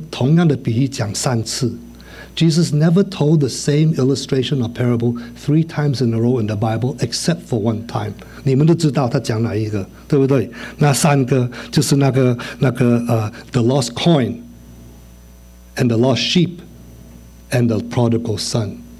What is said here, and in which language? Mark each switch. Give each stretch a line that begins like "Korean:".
Chinese: 那我又想到主耶稣有一个很特别的地方，他从来不会用同样的比喻讲三次。
English: Jesus never told the same illustration or parable three times in a row in the Bible except for one time.
Chinese: 你们都知道他讲哪一个，对不对？那三个就是那个
English: the lost coin and the lost sheep and the prodigal son.